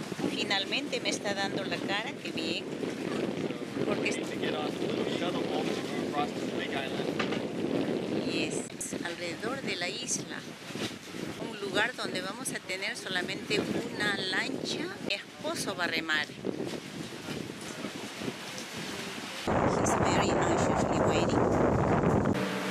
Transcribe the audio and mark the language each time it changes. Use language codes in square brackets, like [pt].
[es] Finalmente me está dando la cara, qué bien. Porque es [en] to get off the shuttle boat across the big island. [es] Es alrededor de la isla, un lugar donde vamos a tener solamente una lancha. Mi esposo va a remar. [en] He's very anxiously waiting.